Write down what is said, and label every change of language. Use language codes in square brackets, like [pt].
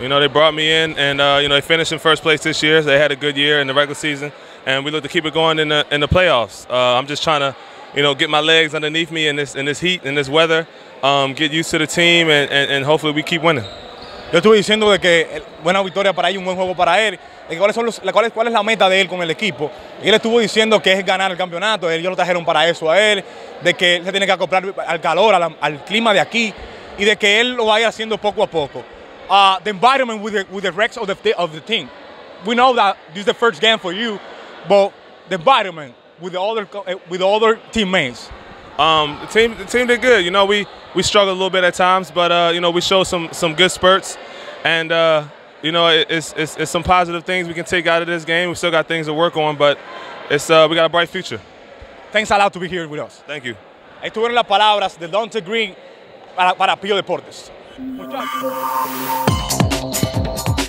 [en] You know, they brought me in and you know, they finished in first place this year. They had a good year in the regular season and we look to keep it going in the playoffs. I'm just trying to, you know, get my legs underneath me in this heat, in this weather, get used to the team, and hopefully we keep winning. [es] Yo estuve diciendo de que buena victoria para él, un buen juego para él. ¿Cuál es la meta de él con el equipo? Y él estuvo diciendo que es ganar el campeonato. Ellos lo trajeron para eso a él, de que él se tiene que acoplar al calor, al clima de aquí, y de que él lo vaya haciendo poco a poco. [en] The environment with the rest of the team. We know that this is the first game for you, but the environment with the other teammates. The team did good. You know, we struggled a little bit at times, but you know, we showed some good spurts, and you know, it's some positive things we can take out of this game. We still got things to work on, but it's we got a bright future. Thanks a lot to be here with us. Thank you. [es] Estas fueron las palabras de Donte Greene para Pío Deportes.